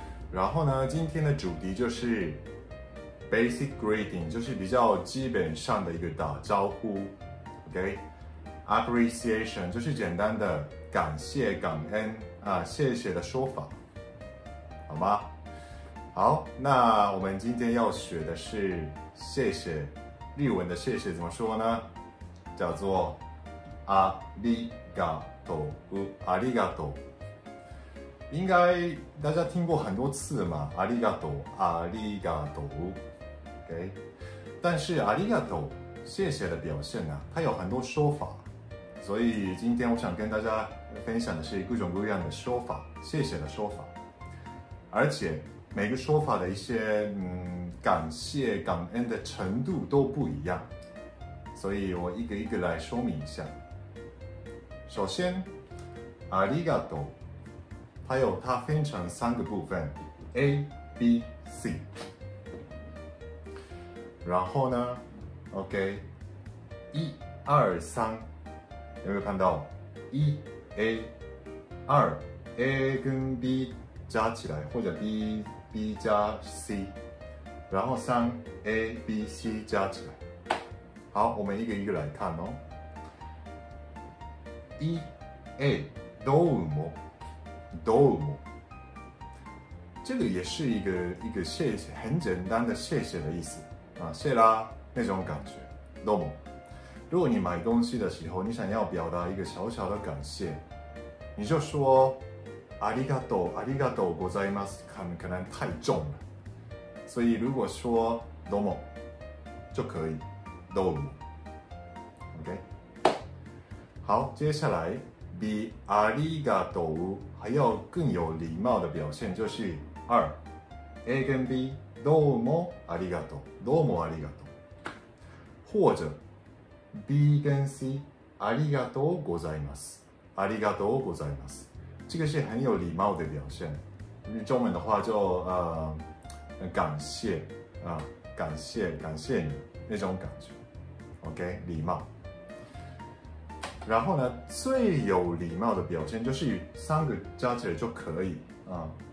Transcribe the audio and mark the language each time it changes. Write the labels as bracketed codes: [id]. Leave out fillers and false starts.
[zh] 然后呢，今天的主题就是 [en] basic greeting， [zh] 就是比较基本上的一个打招呼。 [en] OK。 [zh] Appreciation 就是简单的感谢、感恩啊，谢谢的说法，好吗？好，那我们今天要学的是谢谢，日文的谢谢怎么说呢？叫做 [ja] ありがとう，ありがとう。 [zh] 应该大家听过很多次嘛， [ja] ありがとう，ありがとう。 [zh] OK， 但是 [ja] ありがとう [zh] 谢谢的表现呢、啊，它有很多说法。所以今天我想跟大家分享的是各种各样的说法，谢谢的说法，而且每个说法的一些感谢感恩的程度都不一样，所以我一个一个来说明一下。首先 [ja] ありがとう， [zh] 它有它分成三个部分 A B C， 然后呢 OK 一二三，有没有看到 ？1 A 2 A 跟 B 加起来，或者 B 加 C， 然后3 A B C 加起来。好，我们一个一个来看哦。 1 A [ja] どうもどうも， [zh] 这个也是一个谢谢，很简单的谢谢的意思啊，谢啦那种感觉， [ja] どうも。 [zh] 如果你买东西的时候，你想要表达一个小小的感谢，你就说 [ja] ありがとう、ありがとうございます， [zh] 可能太重了。所以如果说 [ja] どうも [zh] 就可以，どうも。 OK， 好，接下来比 [ja] ありがとう [zh] 还要更有礼貌的表现就是二 A 跟 B [ja] どうもありがとう、どうもありがとう， [zh] 或者B 跟 C， [ja] ありがとうございます。ありがとうございます。 [zh] 这个是很有礼貌的表现。中文的话就感谢啊，感谢感谢你那种感觉。 OK， 礼貌。然后呢，最有礼貌的表现就是三个加起来就可以啊。